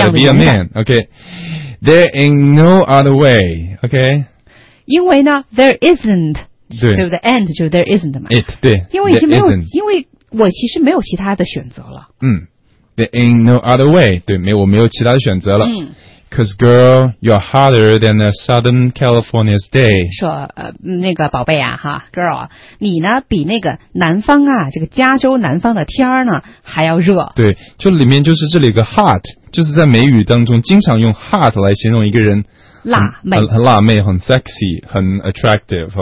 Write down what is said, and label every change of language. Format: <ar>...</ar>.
<en>I gotta be a man, OK, there ain't no other way, OK,</en> <zh>因为呢</zh> <en>there isn't,</en> <zh>对, 对不对 ？And 就是</zh> <en>there isn't</en> <zh>嘛。</zh> <en>It, 对，</en> <zh>因为已经没有，</zh> <en>isn't.</en> <zh>因为我其实没有其他的选择了。</zh> <en>嗯 ，There ain't no other way.</en> <zh>对，没有，我没有其他的选择了。嗯</zh> <en>，Cause girl, you're hotter than a Southern California's day.</en> <zh>说那个宝贝啊，哈 ，girl， 你呢比那个南方啊，这个加州南方的天呢还要热。对，就里面就是这里有个 hot， 就是在美语当中经常用 hot 来形容一个人。辣妹，辣妹很 sexy， 很 attractive，</zh>